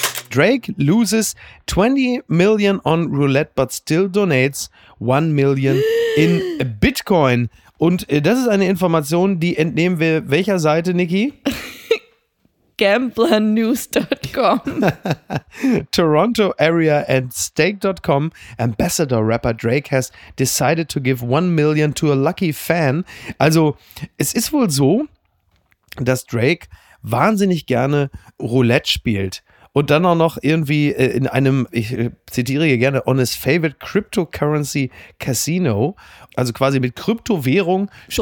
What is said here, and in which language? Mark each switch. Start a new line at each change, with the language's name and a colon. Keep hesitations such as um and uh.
English: Drake loses 20 million on roulette, but still donates 1 million in Bitcoin.
German: Und äh, das ist eine Information, die entnehmen wir welcher Seite, Niki?
English: Gamblernews.com. Toronto area and stake.com ambassador rapper Drake has decided to give 1 million to a lucky fan.
German: Also, es ist wohl so, dass Drake wahnsinnig gerne Roulette spielt. Und dann auch noch irgendwie äh, in einem, ich äh, zitiere hier gerne,
English: on his favorite cryptocurrency casino,
German: also quasi mit Kryptowährung, So,